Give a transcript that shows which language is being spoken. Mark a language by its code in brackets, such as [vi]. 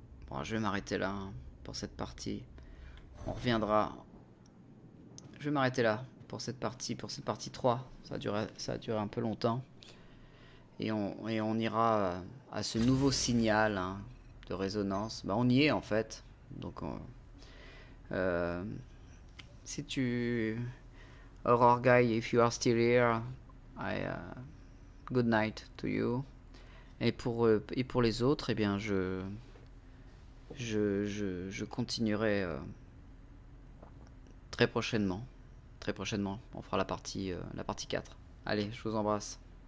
[fr] Bon, je vais m'arrêter là pour cette partie. On reviendra. Je vais m'arrêter là pour cette partie 3. Ça a duré un peu longtemps. Et on ira à ce nouveau signal, hein, de résonance. Bah, on y est en fait. Donc, si tu, [en] Aurore guy, if you are still here, good night to you. [fr] Et pour les autres, eh bien je continuerai très prochainement. On fera la partie 4. Allez, je vous embrasse.